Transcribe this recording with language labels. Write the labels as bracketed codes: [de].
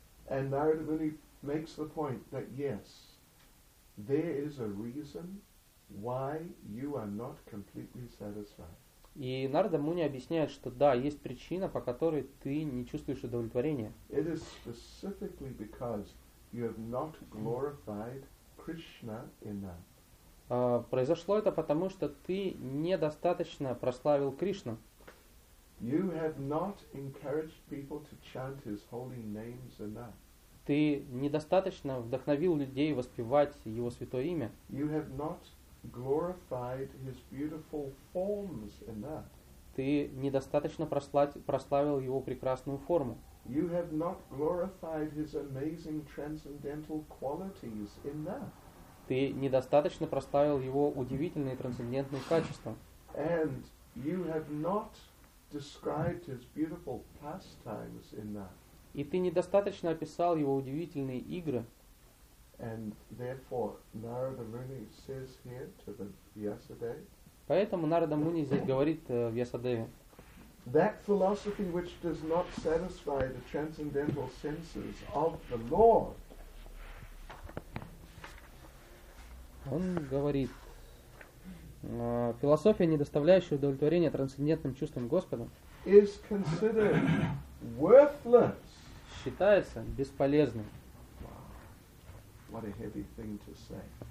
[en] And Narada Muni makes the point that yes, there is a reason why you are not completely satisfied. [ru] И Нарада Муни объясняет, что да, есть причина, по которой ты не чувствуешь удовлетворения. [en] It is specifically because you have not glorified Krishna enough. [ru] Произошло это потому, что ты недостаточно прославил Кришну. [en] You have not encouraged people to chant his holy names enough. [ru] Ты недостаточно вдохновил людей воспевать его святое имя. [en] You have not glorified his beautiful forms enough. [ru] Ты недостаточно прославил его прекрасную форму. [en] You have not glorified his amazing transcendental qualities enough. [ru] Ты недостаточно прославил его удивительные трансцендентные качества. [en] And you have not described his beautiful pastimes enough. [ru] И ты недостаточно описал его удивительные игры. [en] And therefore, Narada Muni says here to the Vyasadeva, [ru] поэтому Нарада Муни здесь говорит Вьясадеве. [en] That philosophy which does not satisfy the transcendental senses of the Lord. [ru] Он говорит, философия, не доставляющая удовлетворения трансцендентным чувствам Господа, [en] is considered worthless. [ru] Считается бесполезным. [en] What a heavy thing to say.